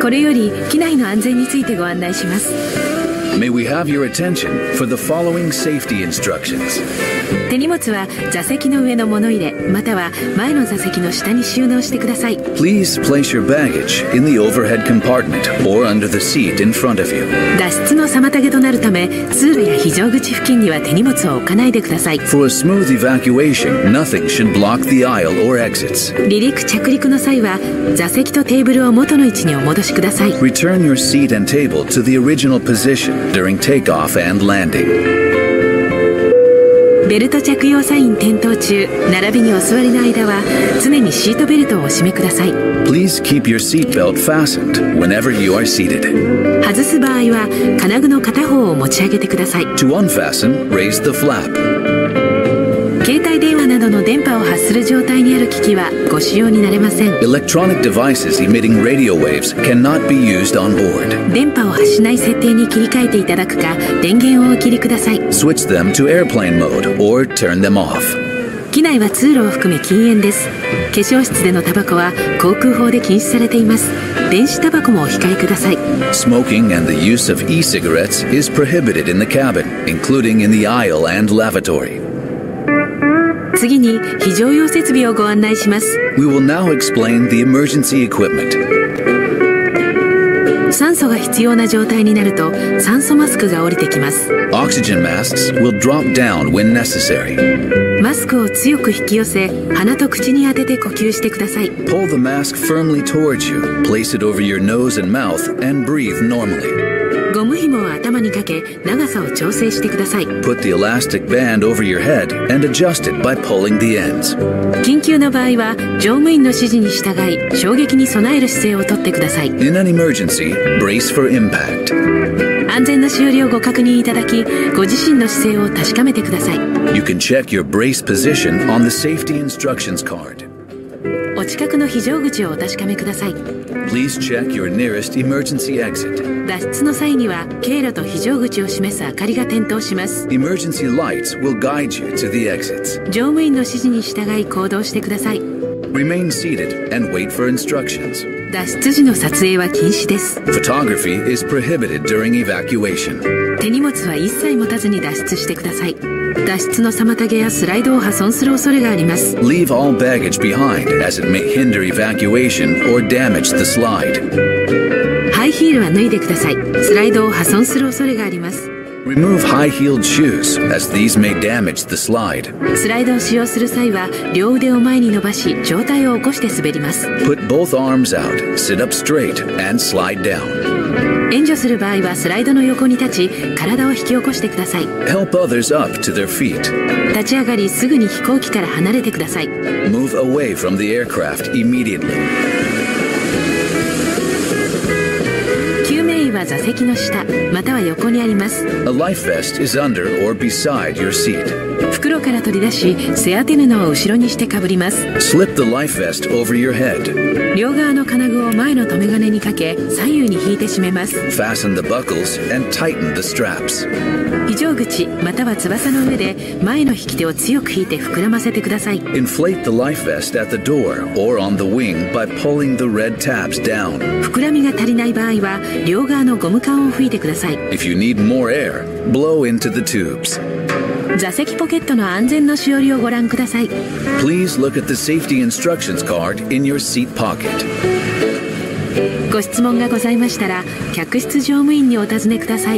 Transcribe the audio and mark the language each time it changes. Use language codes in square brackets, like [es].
[ja] これより機内の安全についてご案内します。 [en] May we have your attention for the following safety instructions. [ja] 手荷物は座席の上の物入れまたは前の座席の下に収納してください。 [en] Please place your baggage in the overhead compartment or under the seat in front of you. [ja] 脱出の妨げとなるため通路や非常口付近には手荷物を置かないでください。 [en] For a smooth evacuation, nothing should block the aisle or exits. [ja] 離陸着陸の際は座席とテーブルを元の位置にお戻しください。 [en] Return your seat and table to the original position. During takeoff and landing. [ja] ベルト着用サイン点灯中、並びにお座りの間は常にシートベルトをお締めください。 [en] Please keep your seat belt fastened whenever you are seated. [ja] 外す場合は金具の片方を持ち上げてください。 [en] To unfasten, raise the flap. [ja] 携帯電話などの電波を発する状態にある機器はご使用になれません。 [en] Electronic devices emitting radio waves cannot be used on board. [ja] 電波を発しない設定に切り替えていただくか、電源をお切りください。 [en] Switch them to airplane mode or turn them off. [ja] 機内は通路を含め禁煙です。化粧室でのタバコは航空法で禁止されています。電子タバコもお控えください。 [en] Smoking and the use of e-cigarettes is prohibited in the cabin, including in the aisle and lavatory. [ja] 次に非常用設備をご案内します。 [en] We will now explain the emergency equipment. [ja] 酸素が必要な状態になると酸素マスクが降りてきます。 [en] Oxygen masks will drop down when necessary. [ja] マスクを強く引き寄せ、鼻と口に当てて呼吸してください。 [en] Pull the mask firmly towards you, place it over your nose and mouth, and breathe normally. [ja] ゴム紐を頭にかけ、長さを調整してください。 [en] Put the elastic band over your head and adjust it by pulling the ends. [ja] 緊急の場合は、乗務員の指示に従い、衝撃に備える姿勢をとってください。 [en] In an emergency, brace for impact. [ja] 安全の終了をご確認いただき、ご自身の姿勢を確かめてください。 [en] You can check your brace position on the safety instructions card. [ja] お近くの非常口をお確かめください。 [en] Please check your nearest emergency exit. [ja] 脱出の際には経路と非常口を示す明かりが点灯します。 [en] Emergency lights will guide you to the exits. [ja] 乗務員の指示に従い行動してください。 [en] Remain seated and wait for instructions. [ja] 脱出時の撮影は禁止です。 [en] Photography is prohibited during evacuation. [ja] 手荷物は一切持たずに脱出してください。脱出の妨げやスライドを破損する恐れがあります。 [en] Leave all baggage behind as it may hinder evacuation or damage the slide. [ja] ハイヒールは脱いでください。スライドを破損する恐れがあります。 [en] Remove high-heeled shoes as these may damage the slide. [ja] スライドを使用する際は両腕を前に伸ばし上体を起こして滑ります。 [en] Put both arms out, sit up straight, and slide down. [ja] 援助する場合はスライドの横に立ち、体を引き起こしてください。 [en] Help others up to their feet. [ja] 立ち上がり、すぐに飛行機から離れてください。 [en] Move away from the aircraft immediately. [ja] 救命衣は座席の下、または横にあります。 [en] A life vest is under or beside your seat. [ja] 袋から取り出し、背当て布を後ろにしてかぶります。 [en] Slip the life vest over your head. [ja] 両側の金具を前の留め金にかけ、左右に引いて締めます。 [en] Fasten the buckles and tighten the straps. [ja] 非常口または翼の上で前の引き手を強く引いて膨らませてください。 [en] Inflate the life vest at the door or on the wing by pulling the red tabs down. [ja] 膨らみが足りない場合は両側のゴム管を吹いてください。 [en] If you need more air, blow into the tubes. [ja] 座席ポケットの安全のしおりをご覧ください。 [en] Please look at the safety instructions card in your seat pocket. [ja] ご質問がございましたら、客室乗務員にお尋ねください。